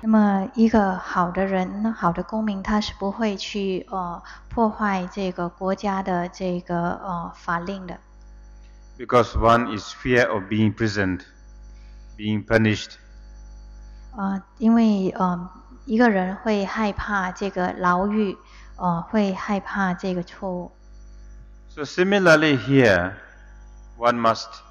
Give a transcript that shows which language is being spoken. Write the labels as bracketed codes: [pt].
[zh] 那么一个好的人，好的公民，他是不会去破坏这个国家的这个法令的。 [en] Because one is fear of being imprisoned, being punished. [zh] 因为一个人会害怕这个牢狱，会害怕这个错误。 [en] So similarly here, one must